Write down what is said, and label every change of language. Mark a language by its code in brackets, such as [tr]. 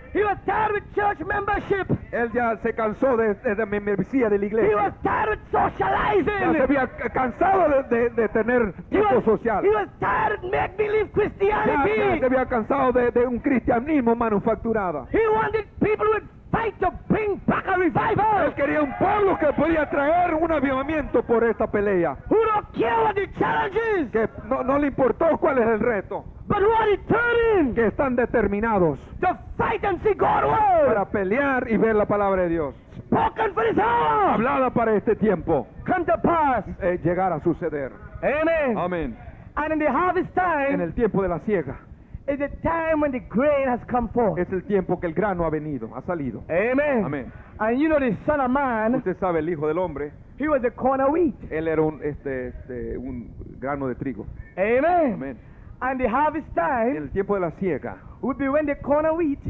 [en] He was tired with church membership. [es] Él ya se cansó de membresía de la iglesia. [en] He was tired with socializing. [es] Ya se había cansado de tener tiempo social. [en] He was tired of make-believe Christianity. [es] Ya se había cansado de un cristianismo manufacturado. [en] He wanted people with fight to bring back a revival. [es] Él quería un pueblo que podía traer un avivamiento por esta pelea. [en] Who don't care what the challenge is. [es] Que no le importó cuál es el reto. [en] But who are determined. [es] Que están determinados. [en] To fight and see God work. [es] Para pelear y ver la palabra de Dios. [en] Spoken for this hour. [es] Hablada para este tiempo. [en] Come to pass. [es] Llegar a suceder. [en] Amen. [es] Amen. [en] And in the harvest time. [es] En el tiempo de la siega. [en] Is the time when the grain has come forth. [es] Es el tiempo que el grano ha venido, ha salido. [en] Amen. [es] Amen. [en] And you know the son of man. [es] Usted sabe el hijo del hombre. [en] He was a corn of wheat. [es] Él era un grano de trigo. [en] Amen. [es] Amen. [en] And the harvest time. [es] El tiempo de la siega. [en] Would be when the corn of wheat.